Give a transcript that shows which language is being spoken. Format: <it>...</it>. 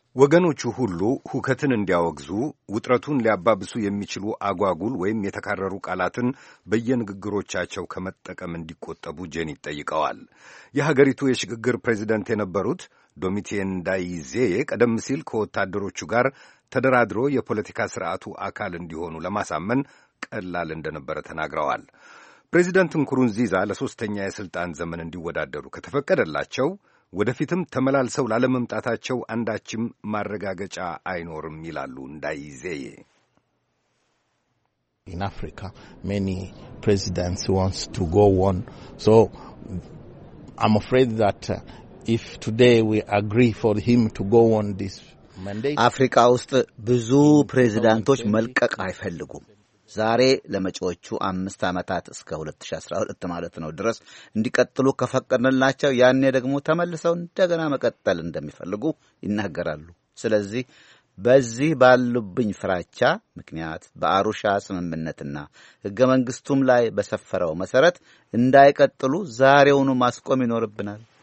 <am>ወገኖቹ ሁሉ ሁከትን እንዲያወግዙ ውጥረቱን ሊያባብሱ የሚችሉ አጓጉል ወይም የተካረሩ ቃላትን በየንግግሮቻቸው ከመጠቀም እንዲቆጠቡ ጄኒት ጠይቀዋል። የሀገሪቱ የሽግግር ፕሬዚደንት የነበሩት ዶሚቲየን ንዳይዜ ቀደም ሲል ከወታደሮቹ ጋር ተደራድሮ የፖለቲካ ስርዓቱ አካል እንዲሆኑ ለማሳመን ቀላል እንደነበረ ተናግረዋል። ፕሬዚደንት ንኩሩንዚዛ ለሶስተኛ የሥልጣን ዘመን እንዲወዳደሩ ከተፈቀደላቸው ወደፊትም ተመላልሰው ላለመምጣታቸው አንዳችም ማረጋገጫ አይኖርም ይላሉ እንዳይዜየ።</am> <en>In Africa, many presidents wants to go on. So I'm afraid that if today we agree for him to go on this mandate.</en> <am>አፍሪካ ውስጥ ብዙ ፕሬዝዳንቶች መልቀቅ አይፈልጉም። ዛሬ ለመጪዎቹ 5 አመታት እስከ 2012 ማለት ነው ድረስ እንዲቀጥሉ ከፈቀደላቸው ያኔ ደግሞ ተመልሰው እንደገና መቀጠል እንደሚፈልጉ ይናገራሉ። ስለዚህ በዚህ ባሉብኝ ፍራቻ ምክንያት በአሩሻ ስምምነትና ህገ መንግስቱም ላይ በሰፈረው መሰረት እንዳይቀጥሉ ዛሬውኑ ማስቆም ይኖርብናል።</am>